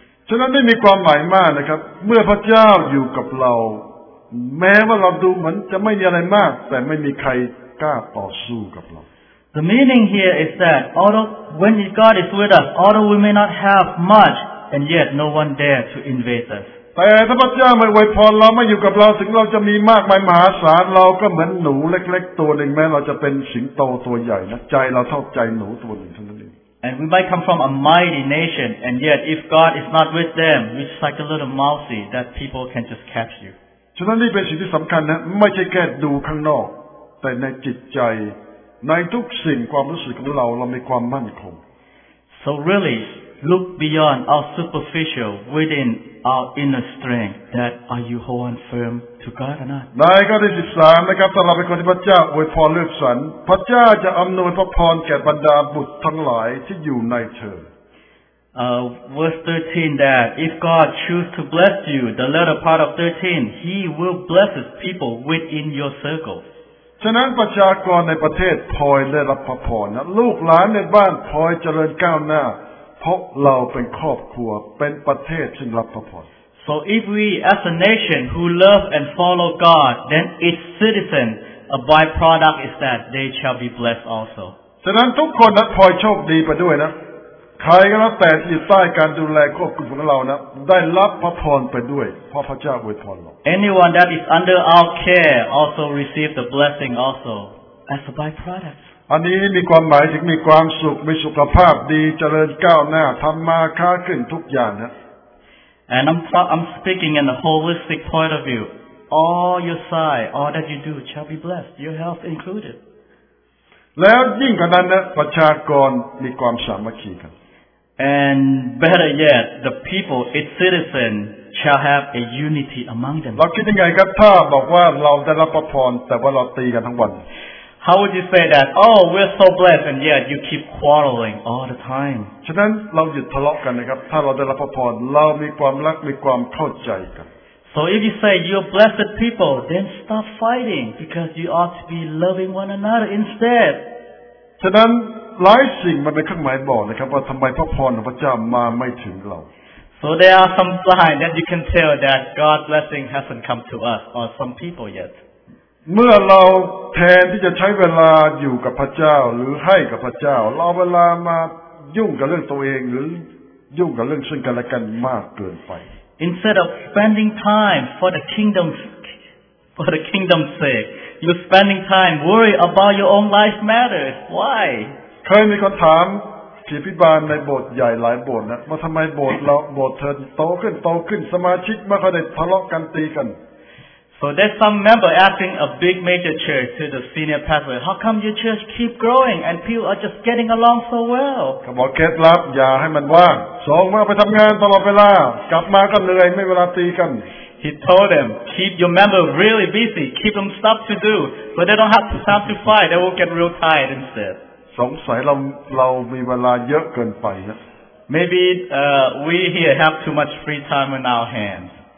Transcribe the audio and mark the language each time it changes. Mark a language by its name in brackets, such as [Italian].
[Thai] ฉะนั้นไม่มีความหมายมากนะครับเมื่อพระเจ้าอยู่กับเราแม้ว่าเราดูเหมือนจะไม่มีอะไรมากแต่ไม่มีใครกล้าต่อสู้กับเรา [English] The meaning here is that although when God is with us, although we may not have much, and yet no one dare to invade us. [Thai] แต่ถ้าพระเจ้าไม่ไว้พรเราไม่อยู่กับเราถึงเราจะมีมากมายมหาศาลเราก็เหมือนหนูเล็กๆตัวหนึ่งแม้เราจะเป็นสิงโตตัวใหญ่นะใจเราเท่าใจหนูตัวหนึ่งเท่านั้นเอง [English] And we might come from a mighty nation, and yet if God is not with them, we're just like a little mousey that people can just catch you. [Thai] ฉะนั้นนี่เป็นสิ่งที่สำคัญนะไม่ใช่แค่ดูข้างนอกแต่ในจิตใจในทุกสิ่งความรู้สึกของเรามีความมั่นคง [English] So really, look beyond our superficial, within our inner strength, that are you holding firm to God or not? [Thai] ในข้อที่13นะครับถ้าเราเป็นคนที่พระเจ้าอวยพรเลือกสรรพระเจ้าจะอำนวยพระพรแก่บรรดาบุตรทั้งหลายที่อยู่ในเธอ [English] Verse 13 that if God choose to bless you, the latter part of 13, He will bless His people within your circle. [Thai] ฉะนั้นประชากรในประเทศพลอยได้รับพรนะลูกหลานในบ้านพลอยเจริญก้าวหน้าเพราะเราเป็นครอบครัวเป็นประเทศที่รับพร [English] So if we as a nation who love and follow God then its citizen a byproduct is that they shall be blessed also [Thai] ฉะนั้นทุกคนนะพลอยโชคดีไปด้วยนะใครก็แล้วแต่ที่อยู่ใต้การดูแลควบคุมของเรานะได้รับพระพรไปด้วยเพราะพระเจ้าอวยพรเรา [English] Anyone that is under our care also receive the blessing also as a byproduct [Thai] อันนี้มีความหมายถึงมีความสุขมีสุขภาพดีเจริญก้าวหน้าทำมาค้าขึ้นทุกอย่างนะ [English] And I'm speaking in a holistic point of view all your side all that you do shall be blessed your health included [Thai] แล้วยิ่งกว่านั้นนะประชากรมีความสามัคคีกัน [English] And better yet, the people, its citizens, shall have a unity among them. [Thai] เราคิดยังไงครับถ้าบอกว่าเราได้รับพระพรแต่ว่าเราตีกันทั้งวัน [English] How would you say that? Oh, we're so blessed, and yet you keep quarreling all the time. [Thai] ฉะนั้นเราหยุดทะเลาะกันนะครับถ้าเราได้รับพระพรเรามีความรักมีความเข้าใจกัน [English] So if you say you're blessed people, then stop fighting because you ought to be loving one another instead. [Thai] ฉะนั้นหลายสิ่งมันเป็นเครื่องหมายบอกนะครับว่าทำไมพระพรของพระเจ้ามาไม่ถึงเรา [English] So there are some signs that you can tell that God's blessing hasn't come to us or some people yet [Thai] เมื่อเราแทนที่จะใช้เวลาอยู่กับพระเจ้าหรือให้กับพระเจ้าเราเอาเวลามายุ่งกับเรื่องตัวเองหรือยุ่งกับเรื่องซึ่งกันและกันมากเกินไป [English] Instead of spending time for the kingdom's sake you're spending time worry about your own life matters why [Thai] เคยมีคนถามศิษย์พิบาลในโบสถ์ใหญ่หลายโบสถ์นะว่าทำไมโบสถ์เราโบสถ์เธอโตขึ้นสมาชิกไม่ค่อยได้ทะเลาะกันตีกัน [English] So there's some member asking a big major church to the senior pastor How come your church keep growing and people are just getting along so well [Thai] เขาบอกเคล็ดลับอย่าให้มันว่างส่งมาไปทำงานตลอดเวลากลับมาก็เหนื่อยไม่เวลาตีกัน [English] He told them, keep your members really busy, keep them stuff to do, so they don't have time to fight, they will get real tired instead. Maybe we here have too much free time in our hands.